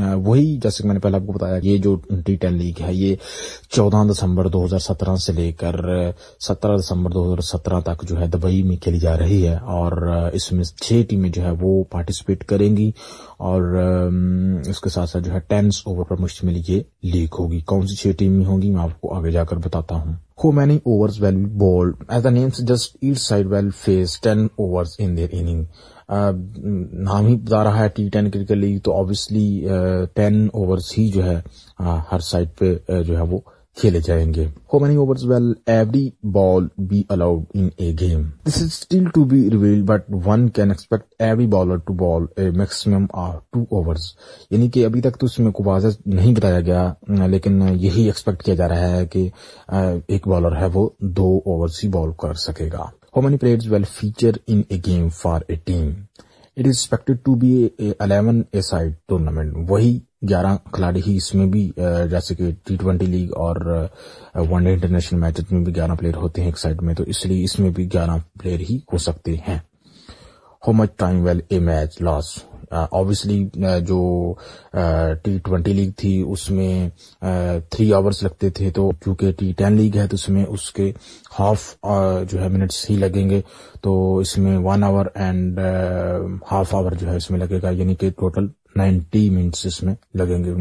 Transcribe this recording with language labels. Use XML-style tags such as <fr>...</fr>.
<ur>وہی جیسے کہ میں نے پہلے آپ کو بتایا یہ جو T10 لیگ ہے یہ 14 دسمبر 2017 سے لے کر 17 دسمبر 2017 تک جو ہے دبئی میں کھیلی جا رہی ہے اور اس میں 6 ٹیمیں جو ہے وہ پارٹیسپیٹ کریں گی اور اس کے ساتھ ساتھ جو ہے 10 اوور پر مشتمل یہ لیگ ہوگی. کون سی 6 ٹیمیں ہوں گی میں آپ کو آگے جا کر بتاتا ہوں.</ur> <en>How many overs will be bowled? As the name suggests, each side will face 10 overs in their inning.</en> <ur>نام ہی بتا رہا ہے T10 کرکٹ لیگ تو obviously 10 overs ہی جو ہے ہر سائڈ پہ جو ہے وہ کھیلے جائیں گے.</ur> <en>How many overs will every ball be allowed in a game? This is still to be revealed but one can expect every bowler to bowl a maximum of 2 overs.</en> <ur>یعنی کہ ابھی تک تو اس میں کوئی واضح نہیں بتایا گیا لیکن یہی ایکسپیکٹ کیا جا رہا ہے کہ ایک بالر ہے وہ 2 اوورز ہی بال کر سکے گا.</ur> <en>How many players will feature in a game for a team? It is expected to be a 11 a side tournament.</en> <ur>وہی 11 کھلاڑی ہی اس میں بھی جیسے کہ T20 لیگ اور ون ڈے انٹرنیشنل میچز میں بھی 11 پلیئر ہوتے ہیں ایک سائڈ میں تو اس لیے اس میں بھی 11 پلیئر ہی ہو سکتے ہیں.</ur> <en>How much time will a match last?</en> <ur>obviously جو T20 لیگ تھی اس میں 3 آورس لگتے تھے تو کیونکہ T10 لیگ ہے تو اس میں اس کے ہاف جو ہے منٹس ہی لگیں گے تو اس میں 1 آور اینڈ ہاف آور جو ہے اس میں لگے گا یعنی کہ ٹوٹل 90 منٹس اس میں لگیں گے.</ur>